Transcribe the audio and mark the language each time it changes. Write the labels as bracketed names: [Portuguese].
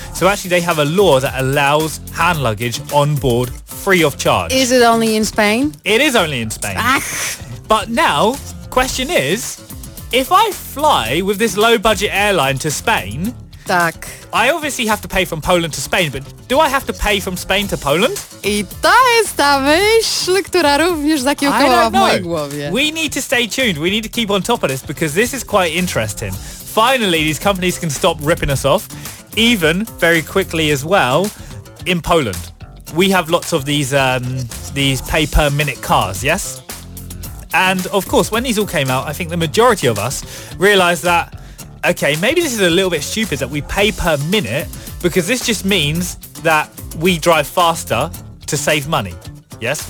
[English] So actually they have a law that allows hand luggage on board free of charge. Is it only in Spain? It is only in Spain. Ach. But now, question is, if I fly with this low budget airline to Spain, [Polish] tak. [English] I obviously have to pay from Poland to Spain, but do I have to pay from Spain to Poland? [Polish] I to jest ta myśl, która również zakiełkowała w mojej głowie. [English] We need to stay tuned. We need to keep on top of this because this is quite interesting. Finally, these companies can stop ripping us off, even very quickly as well, in Poland. We have lots of these pay-per-minute cars, yes? And, of course, when these all came out, I think the majority of us realized that, okay, maybe this is a little bit stupid that we pay per minute because this just means that we drive faster to save money, yes?